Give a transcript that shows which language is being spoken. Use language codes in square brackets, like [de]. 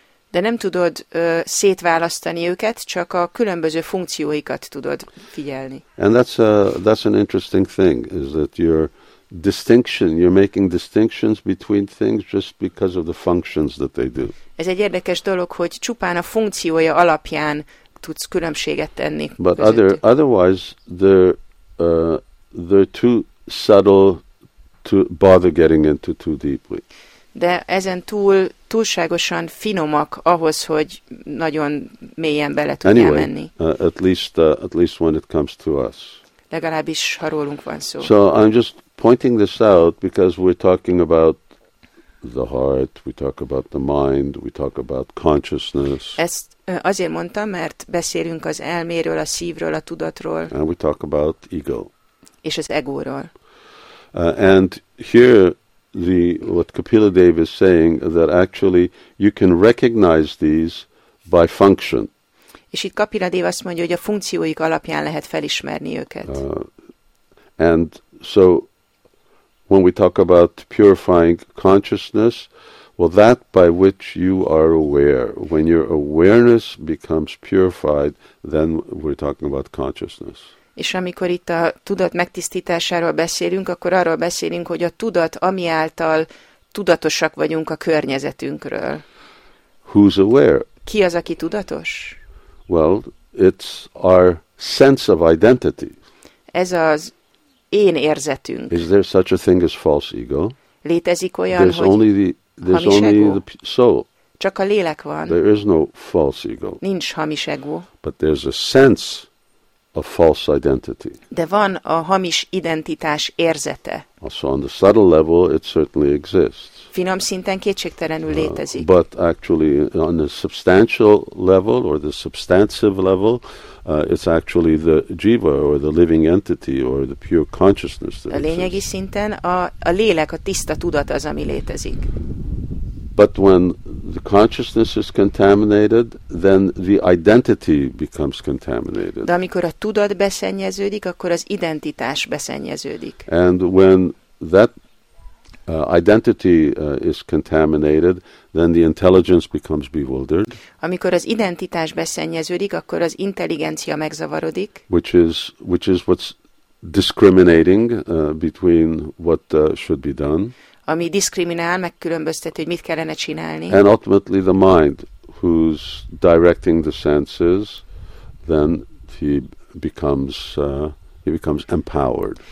[hu] De nem tudod szétválasztani őket, csak a különböző funkcióikat tudod figyelni. [en] And that's an interesting thing, is that you're making distinctions between things just because of the functions that they do. [hu] Ez egy érdekes dolog, hogy csupán a funkciója alapján tudsz különbséget tenni. [en] But otherwise, they're too subtle to bother getting into too deeply. [hu] De ezen túl túlságosan finomak ahhoz, hogy nagyon mélyen bele tudjál [en] anyway, [hu] menni. [en] At least when it comes to us. [hu] Legalábbis, ha rólunk van szó. [en] So I'm just pointing this out because we're talking about the heart, we talk about the mind, we talk about consciousness. [hu] Ezt azért mondtam, mert beszélünk az elméről, a szívről, a tudatról. [en] And we talk about ego. [hu] És az egóról. [en] And here what Kapila Deva is saying that actually you can recognize these by function. [hu] És itt Kapila Deva azt mondja, hogy a funkcióik alapján lehet felismerni őket. [en] And so when we talk about purifying consciousness, well, that by which you are aware, when your awareness becomes purified, then we're talking about consciousness. [hu] És amikor itt a tudat megtisztításáról beszélünk, akkor arról beszélünk, hogy a tudat, ami által tudatosak vagyunk a környezetünkről. [en] Who's aware? [hu] Ki az, aki tudatos? [en] Well, it's our sense of identity. [hu] Ez az én érzetünk. [en] Is there such a thing as false ego? [hu] Létezik olyan, [en] there's [hu] hogy [en] only there's [hu] hamis [en] only [hu] ego? [en] The soul. [hu] Csak a lélek van. [en] There is no false ego. [hu] Nincs hamis ego. [en] But there's a sense a false identity. [hu] De van a hamis identitás érzete. [en] Also on the subtle level, it certainly exists. [hu] Finom szinten kétségtelenül létezik. [en] But actually, on the substantial level, or the substantive level, it's actually the jiva, or the living entity, or the pure consciousness that exists. [hu] A lényegi szinten a lélek, a tiszta tudat az, ami létezik. [en] But when the consciousness is contaminated, then the identity becomes contaminated. [hu] De amikor a tudat beszennyeződik, akkor az identitás beszennyeződik. [en] And when that identity is contaminated, then the intelligence becomes bewildered. [hu] Amikor az identitás beszennyeződik, akkor az intelligencia megzavarodik. [en] Which is what's discriminating between what should be done. [hu] Ami diszkriminál, megkülönbözteti, hogy mit kellene csinálni. [en] And ultimately the mind, who's directing the senses, then he becomes empowered.